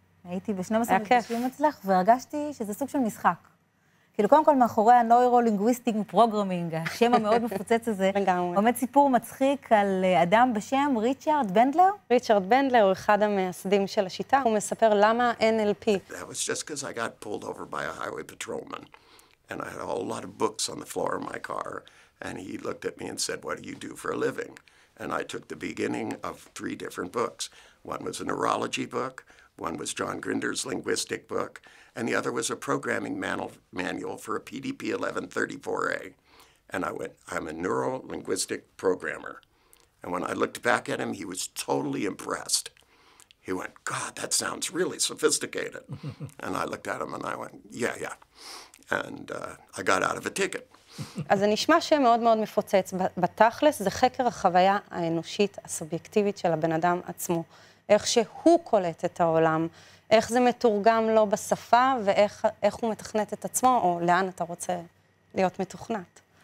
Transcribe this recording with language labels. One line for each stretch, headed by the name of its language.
Hebrew: הייתי ב-12 אצלך, והרגשתי שזה סוג של משחק. כאילו, קודם כל, מאחורי ה-Neuro-Linguistic Programming, השם המאוד מפוצץ הזה, עומד סיפור מצחיק על אדם בשם ריצ'רד בנדלר. ריצ'רד בנדלר הוא אחד המייסדים של השיטה, הוא מספר למה NLP.
English: That was just because I got pulled over by a highway patrolman. And I had a whole lot of books on the floor of my car. And he looked at me and said, what do you do for a living? And I took the beginning of 3 different books. One was a neurology book, one was John Grinder's linguistic book, and the other was a programming manual for a PDP 1134A. And I went, I'm a neuro-linguistic programmer. And when I looked back at him, he was totally impressed. He went, God, that sounds really sophisticated. And I looked at him and I went, yeah, yeah. And I got out of a ticket.
Hebrew: אז זה נשמע שם מאוד מאוד מפוצץ. בתכלס זה חקר החוויה האנושית הסובייקטיבית של הבן אדם עצמו. איך שהוא קולט את העולם, איך זה מתורגם לו בשפה, ואיך הוא מתכנת את עצמו, או לאן אתה רוצה להיות מתוכנת.